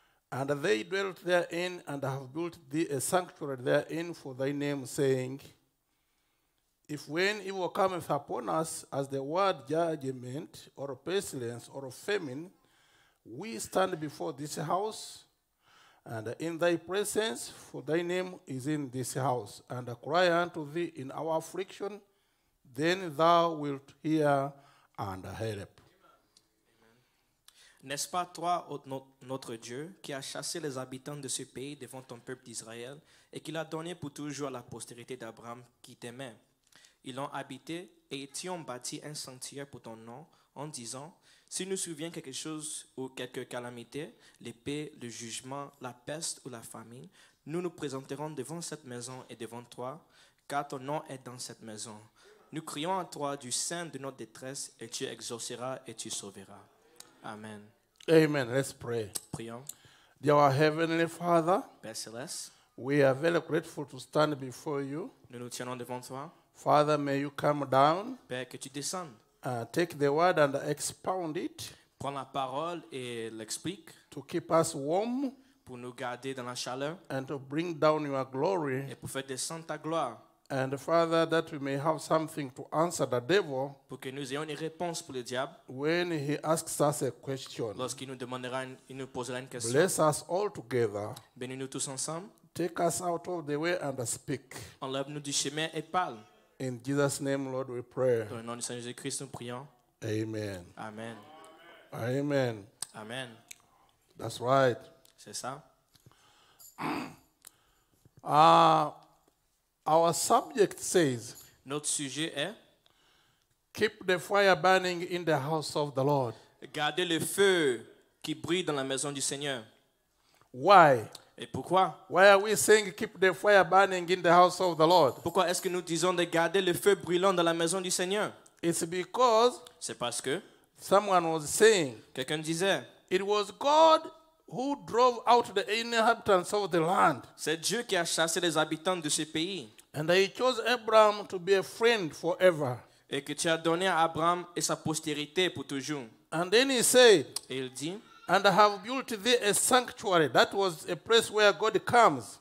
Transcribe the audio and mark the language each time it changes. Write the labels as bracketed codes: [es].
[en] And they dwelt therein and have built thee a sanctuary therein for thy name, saying, if when evil cometh upon us as the word judgment or pestilence or famine, we stand before this house and in thy presence, for thy name is in this house, and cry unto thee in our affliction, then thou wilt hear and help. [fr] N'est-ce pas toi, notre Dieu, qui a chassé les habitants de ce pays devant ton peuple d'Israël et qui l'a donné pour toujours à la postérité d'Abraham qui t'aimait? Ils l'ont habité et t'y ont bâti un sanctuaire pour ton nom en disant, si nous survient quelque chose ou quelque calamité, l'épée, le jugement, la peste ou la famine, nous nous présenterons devant cette maison et devant toi, car ton nom est dans cette maison. Nous crions à toi du sein de notre détresse et tu exauceras et tu sauveras. Amen. [en] Amen. Let's pray. [fr] Prions. [en] Dear our Heavenly Father, [fr] Père Céleste, [en] we are very grateful to stand before you. [fr] Nous nous tenons devant toi. [en] Father, may you come down. [fr] Père, que tu descendes. [en] Take the word and expound it. [fr] Prends la parole et l'explique. [en] To keep us warm. [fr] Pour nous garder dans la chaleur. [en] And to bring down your glory. [fr] Et pour faire descendre ta gloire. [en] And Father, that we may have something to answer the devil. [fr] Pour que nous ayons une réponse pour le diable. [en] When he asks us a question. [fr] Lorsqu'il nous demandera, il nous posera une question. [en] Bless us all together. [fr] Bénis-nous tous ensemble. [en] Take us out of the way and speak. [fr] Enlève-nous du chemin et parle. [en] In Jesus' name, Lord, we pray. [fr] Dans le nom du Seigneur Jésus-Christ, nous prions. [en] Amen. Amen. Amen. Amen. That's right. [fr] C'est ça. [en] Our subject says, [fr] notre sujet est, [en] keep the fire burning in the house of the Lord. [fr] Gardez le feu qui brille dans la maison du Seigneur. [en] Why? [fr] Et pourquoi? [en] Why are we saying keep the fire burning in the house of the Lord? [fr] Pourquoi est-ce que nous disons de garder le feu brûlant dans la maison du Seigneur? [en] It's because, [fr] c'est parce que, [en] someone was saying, [fr] quelqu'un disait, [en] it was God who drove out the inhabitants of the land. [fr] C'est Dieu qui a chassé les habitants de ce pays. [en] And he chose Abraham to be a friend forever. [fr] Et que tu as donné à Abraham et sa postérité pour toujours. [en] And then he said, [fr] et il dit, [en] and I have built thee a sanctuary. That was a place where God comes.